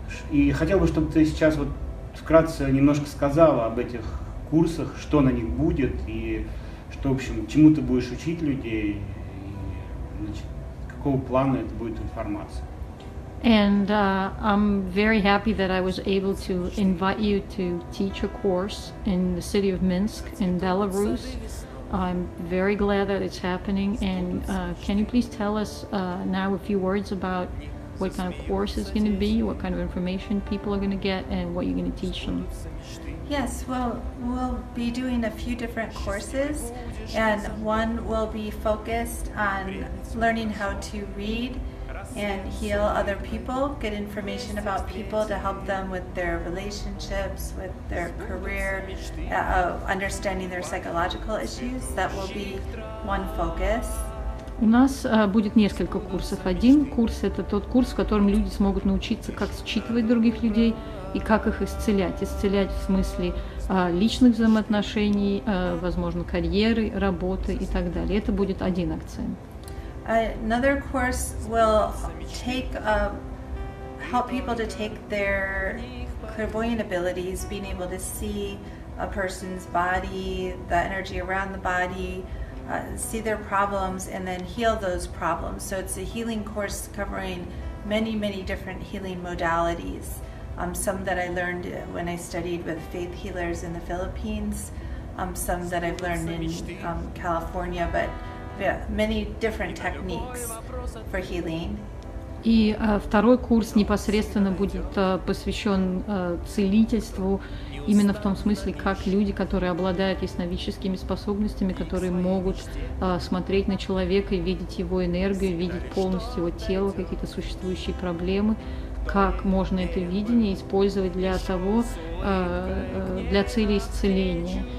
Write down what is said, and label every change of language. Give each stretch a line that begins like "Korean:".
Russian: И хотел бы, чтобы ты сейчас вот вкратце немножко сказала об этих курсах, что на них будет и что, в общем, чему ты будешь учить людей, и, значит, какого плана это будет информация.
English: And I'm very happy that I was able to invite you to teach a course in the city of Minsk in Belarus. I'm very glad that it's happening. And can you please tell us now a few words about what kind of course is going to be, what kind of information people are going to get, and what you're going to teach them? Yes, well, we'll be doing a few different courses, and one will be focused on learning how to read and heal other people, get information about people to help them with their relationships, with their career, understanding their psychological issues. That will be one focus.
Russian: У нас будет несколько курсов. Один курс — это тот курс, в котором люди смогут научиться, как считывать других людей и как их исцелять. Исцелять в смысле личных взаимоотношений, возможно, карьеры, работы и так далее. Это будет один акцент.
English: Another course will take help people to take their clairvoyant abilities, being able to see a person's body, the energy around the body, see their problems, and then heal those problems. So it's a healing course covering many, many different healing modalities. Some that I learned when I studied with faith healers in the Philippines, some that I've learned in California, but many different techniques for healing.
Russian: И второй курс непосредственно будет посвящен целительству, именно в том смысле, как люди, которые обладают ясновидческими способностями, которые могут смотреть на человека и видеть его энергию, видеть полностью его тело, какие-то существующие проблемы, как можно это видение использовать для того, для цели исцеления.